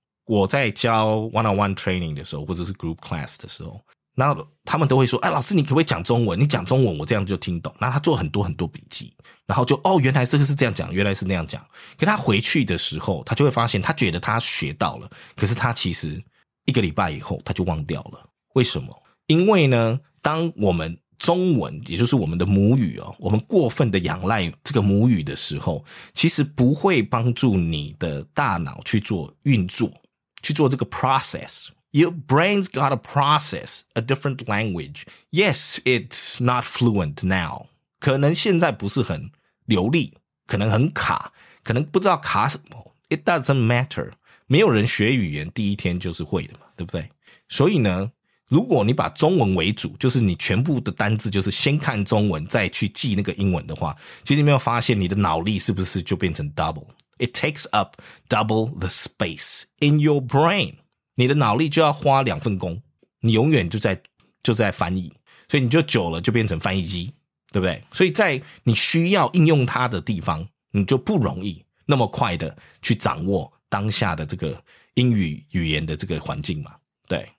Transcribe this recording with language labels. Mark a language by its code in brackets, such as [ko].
[zh] 我在教 [en] one-on-one training [zh] 的时候或者是 [en] group class [zh] 的时候，那他们都会说，哎，老师你可不可以讲中文，你讲中文我这样就听懂，那他做很多很多笔记，然后就哦，原来这个是这样讲，原来是那样讲，可他回去的时候他就会发现他觉得他学到了，可是他其实一个礼拜以后他就忘掉了。为什么？因为呢，当我们中文也就是我们的母语哦，我们过分的仰赖这个母语的时候，其实不会帮助你的大脑去做运作，去做这个 process。 [en] Your brain's got to process a different language. Yes, it's not fluent now. [zh] 可能现在不是很流利，可能很卡，可能不知道卡什么。 [en] It doesn't matter. [zh] 没有人学语言第一天就是会的嘛，对不对？所以呢，如果你把中文为主，就是你全部的单字就是先看中文再去记那个英文的话，其实你没有发现你的脑力是不是就变成 double? [en] It takes up double the space in your brain. [zh] 你的脑力就要花两份工，你永远就在翻译，所以你就久了就变成翻译机，对不对？所以在你需要应用它的地方，你就不容易那么快的去掌握当下的这个英语语言的这个环境嘛，对。